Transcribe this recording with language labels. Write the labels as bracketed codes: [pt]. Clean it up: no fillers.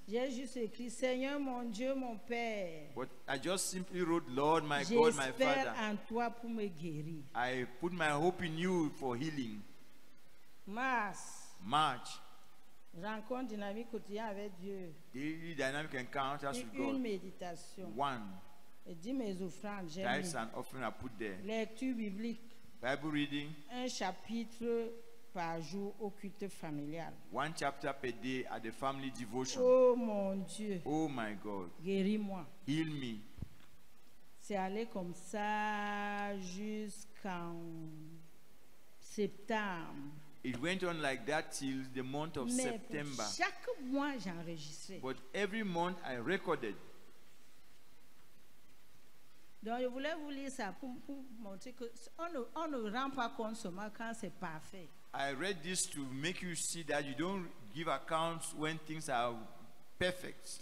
[fr] J'ai juste écrit Seigneur mon Dieu mon Père. [en] But I just simply wrote Lord my God my Father. [fr] J'espère en toi pour me guérir. [en] I put my hope in you for healing. [fr] March. Rencontre dynamique quotidienne avec Dieu. [en] Daily dynamic encounters with God. [fr] Une méditation. [en] One. [fr] Et dis mes offrandes, j'ai mis. [en] An offering I put there. [fr] Lecture biblique. [en] Bible reading. [fr] Un chapitre par jour au culte familial. [en] One chapter per day at the family devotion. [fr] Oh mon Dieu. [en] Oh my God. [fr] Guéris-moi. [en] Heal me. [fr] C'est allé comme ça jusqu'en septembre. [en] It went on like that till the month of [fr] Mais [en] September. [fr] Chaque mois j'enregistrais. [en] But every month I recorded. [fr] Donc je voulais vous lire ça pour montrer que on ne rend pas compte seulement quand c'est parfait. [en] I read this to make you see that you don't give accounts when things are perfect.